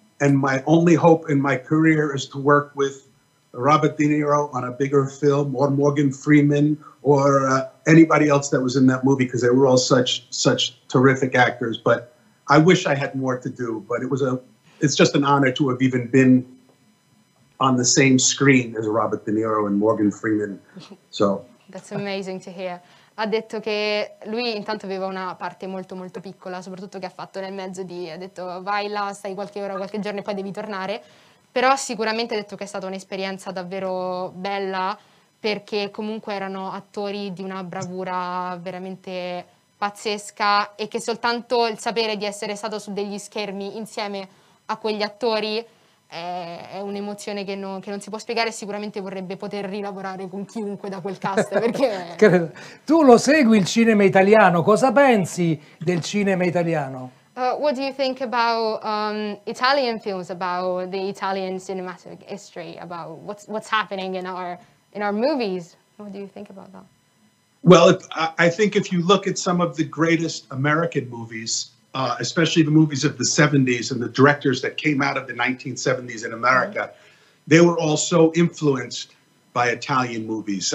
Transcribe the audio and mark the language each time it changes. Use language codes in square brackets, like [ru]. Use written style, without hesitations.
[en] And my only hope in my career is to work with Robert De Niro on a bigger film, or Morgan Freeman, or anybody else that was in that movie, because they were all such terrific actors. But I wish I had more to do, but it's just an honor to have even been on the same screen as Robert De Niro and Morgan Freeman. So. That's amazing to hear. [it] Ha detto che lui intanto aveva una parte molto molto piccola, soprattutto che ha fatto nel mezzo di, ha detto, vai là, stai qualche ora, qualche giorno e poi devi tornare. Però sicuramente ha detto che è stata un'esperienza davvero bella, perché comunque erano attori di una bravura veramente pazzesca, e che soltanto il sapere di essere stato su degli schermi insieme a quegli attori è un'emozione che non si può spiegare. Sicuramente vorrebbe poter rilavorare con chiunque da quel cast, perché tu lo segui il cinema italiano. Cosa pensi del cinema italiano? [en] What do you think about Italian films, about the Italian cinematic history, about what's happening in our movies? What do you think about that? Well, I think if you look at some of the greatest American movies, especially the movies of the 70s and the directors that came out of the 1970s in America, they were all so influenced by Italian movies.